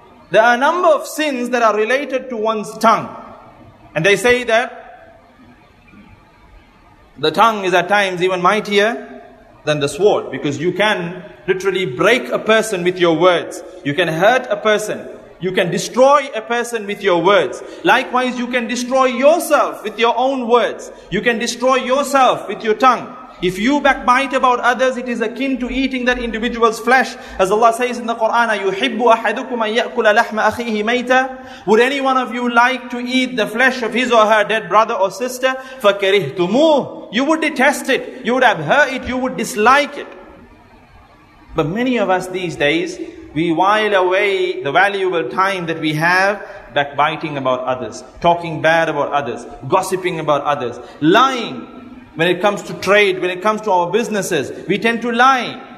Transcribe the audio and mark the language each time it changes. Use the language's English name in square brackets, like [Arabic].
[English] There are a number of sins that are related to one's tongue. And they say that the tongue is at times even mightier than the sword, because you can literally break a person with your words. You can hurt a person. You can destroy a person with your words. Likewise, you can destroy yourself with your own words. You can destroy yourself with your tongue. If you backbite about others, it is akin to eating that individual's flesh. As Allah says in the Quran, [Arabic] أَيُحِبُّ أَحَدُكُمْ أَن يَأْكُلَ لَحْمَ أَخِيهِ مَيْتًا. [English] Would any one of you like to eat the flesh of his or her dead brother or sister? [Arabic] فَكَرِهْتُمُوهُ. [English] You would detest it. You would abhor it. You would dislike it. But many of us these days, we while away the valuable time that we have backbiting about others, talking bad about others, gossiping about others, lying when it comes to trade, when it comes to our businesses. We tend to lie.